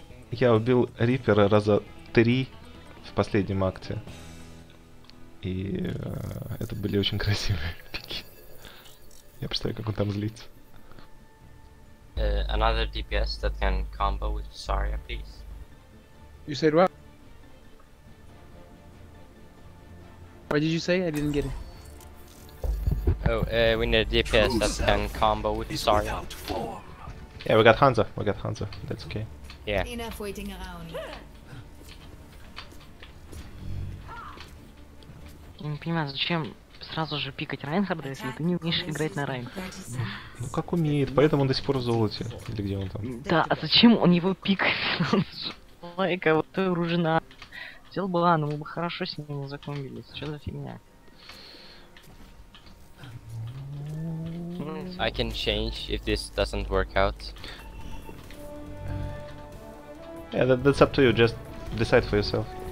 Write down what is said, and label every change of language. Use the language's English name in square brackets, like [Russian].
[Russian] Я убил Рипера раза три в последнем акте. И это были очень красивые пики. Я представляю, как он там злится. [English] Another DPS that can combo with Zarya, please. You said what? What did you say? I didn't get it. Oh, we need a DPS that can combo with Zarya. Yeah, we got Hanzo. We got Hanzo. That's okay. Yeah. Enough waiting around. [Russian] Я не понимаю, зачем сразу же пикать Райнхарда, если ты не умеешь играть на Райнхарде. Ну как умеет, поэтому он до сих пор в золоте. Или где он там? Да, а зачем он его пикает? Лайка, вот ты ружина. Хотел бы Лану, мы бы хорошо с ним закомбились. Что за фигня? [English] I can change if this doesn't work out. Yeah, that's up to you, just decide for yourself.